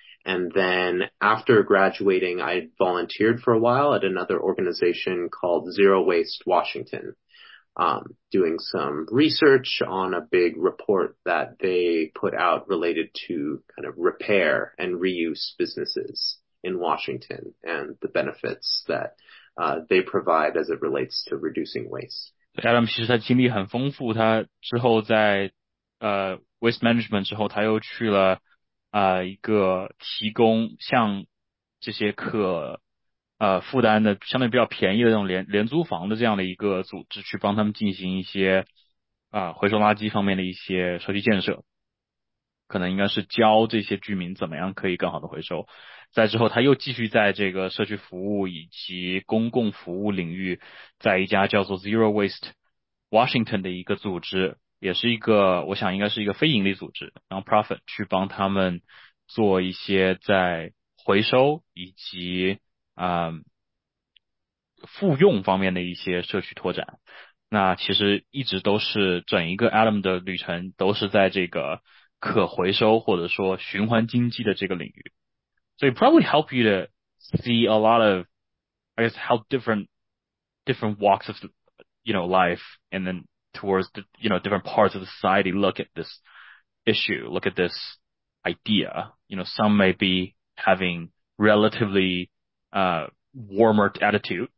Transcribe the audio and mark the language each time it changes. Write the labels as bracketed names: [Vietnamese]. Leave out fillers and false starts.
[English] And then after graduating, I volunteered for a while at another organization called Zero Waste Washington, doing some research on a big report that they put out related to kind of repair and reuse businesses in Washington and the benefits that they provide as it relates to reducing waste. [Chinese] Adam 其实他经历很丰富，他之后在Waste Management 之后，他又去了一个提供像这些可负担的相对比较便宜的这种廉租房的这样的一个组织，去帮他们进行一些回收垃圾方面的一些社区建设，可能应该是教这些居民怎么样可以更好的回收。在之后他又继续在这个社区服务以及公共服务领域，在一家叫做 Zero Waste Washington 的一个组织，也是一个我想应该是一个非盈利组织 non-profit, 去帮他们做一些在回收以及复用方面的一些社区拓展。那其实一直都是整一个 Adam 的旅程都是在这个可回收或者说循环经济的这个领域。 [English] So it probably helped you to see a lot of, I guess, how different walks of, you know, life and then towards, the, you know, different parts of the society look at this issue, look at this idea. You know, some may be having relatively, warmer attitude.